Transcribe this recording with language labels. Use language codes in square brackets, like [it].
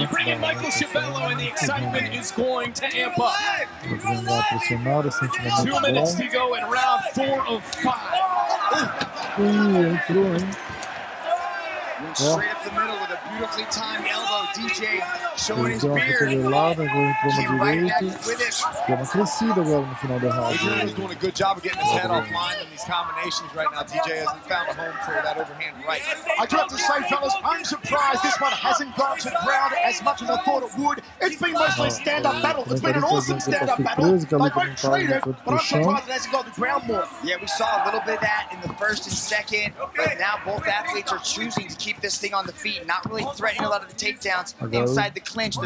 [en] You bring in Michael Chiavello, and the excitement is going to amp up. 2 minutes to go in round four of five. [pt] Entrou, hein? [en] Straight up the middle with a beautifully timed elbow. DJ showing his beard. [pt] Ele lado, entrou direito. Deu uma crescida agora no final do round. [en] He's doing a good job of getting his head offline in these combinations right now. DJ hasn't found a home for that overhand right. I do have to say, fellas, I'm surprised this one hasn't gone to ground as much as I thought it would. It's been mostly stand-up battle. It's been an awesome stand-up battle. Like, I've been treated, but I'm surprised it hasn't gone to ground more. Yeah, we saw a little bit of that in the first and second, but now both athletes are choosing to keep this thing on the feet, not really threatening a lot of the takedowns inside the clinch.